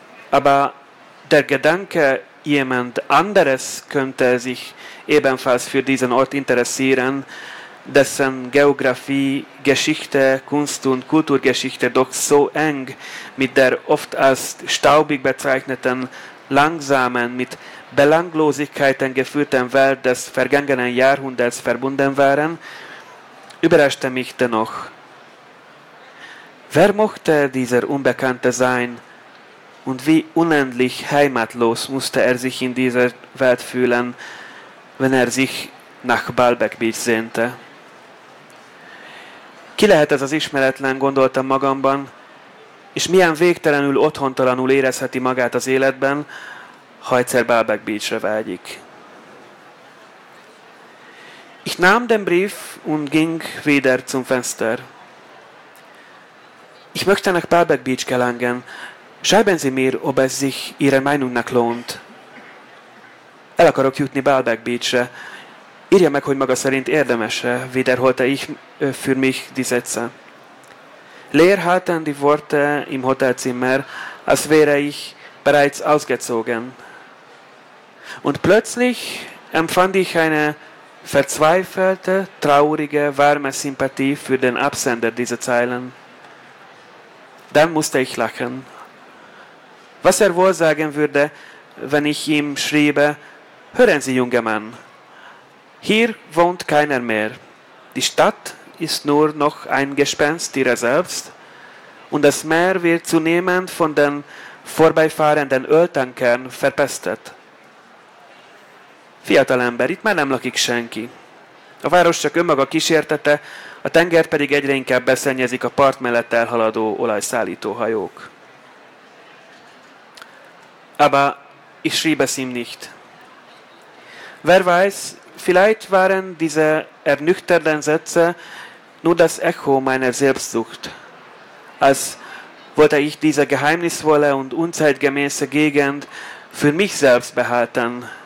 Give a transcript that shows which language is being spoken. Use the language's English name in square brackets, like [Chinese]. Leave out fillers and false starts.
[German] Aber der Gedanke, jemand anderes könnte sich ebenfalls für diesen Ort interessieren, dessen Geografie, Geschichte, Kunst- und Kulturgeschichte doch so eng mit der oft als staubig bezeichneten, langsamen, mit Belanglosigkeiten gefühlten Welt des vergangenen Jahrhunderts verbunden waren, überraschte mich dennoch. Wer mochte dieser Unbekannte sein und wie unendlich heimatlos musste er sich in dieser Welt fühlen, wenn er sich nach Palbeck Beach sehnte? [Hungarian] Ki lehet ez az ismeretlen, gondoltam magamban, és milyen végtelenül otthontalanul érezheti magát az életben, ha egyszer Palbeck Beachre vágyik. [German] Ich nahm den Brief und ging wieder zum Fenster. Ich möchte nach Palbeck Beach gelangen. Schreiben Sie mir, ob es sich Ihrer Meinungnak lohnt. [Hungarian] El akarok jutni Palbeck Beachre. Írja meg, hogy maga szerint érdemes-e, [German] wiederholte ich für mich die Sätze. Leer halten die Worte im Hotelzimmer, als wäre ich bereits ausgezogen. Und plötzlich empfand ich eine verzweifelte, traurige, warme Sympathie für den Absender dieser Zeilen. Dann musste ich lachen. Was er wohl sagen würde, wenn ich ihm schriebe, hören Sie, junger Mann, hier wohnt keiner mehr. Die Stadt ist nur noch ein Gespenst ihrer selbst und das Meer wird zunehmend von den vorbeifahrenden Öltankern verpestet. [Hungarian] Fiatalember, itt már nem lakik senki. A város csak önmaga kísértete, a tenger pedig egyre inkább beszennyezik a part mellett elhaladó olajszállító hajók. [German] Aber ich schriebe es ihm nicht. Wer weiß, vielleicht waren diese ernüchternden Sätze nur das Echo meiner Selbstsucht. Als wollte ich diese geheimnisvolle und unzeitgemäße Gegend für mich selbst behalten.